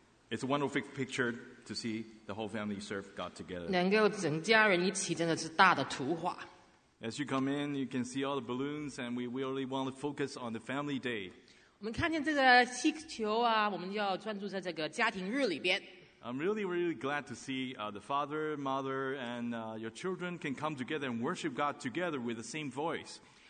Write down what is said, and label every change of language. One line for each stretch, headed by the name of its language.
English: It's a wonderful picture to see the whole family serve God together.
Chinese: 能够整家人一起真的是大的图画。
English: As you come in, you can see all the balloons, and we really want to focus on the family day.
Chinese: 我们看见这个气球啊，我们就要专注在这个家庭日里边。
English: I'm really, really glad to see the father, mother, and your children can come together and worship God together with the same voice.